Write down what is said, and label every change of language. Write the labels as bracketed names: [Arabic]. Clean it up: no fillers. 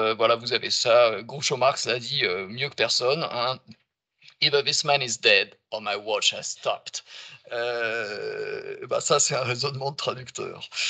[French] Voilà, vous avez ça. Groucho Marx l'a dit mieux que personne. Hein. [English] If this man is dead, or my watch has stopped. [French] Ben ça, c'est un raisonnement de traducteur.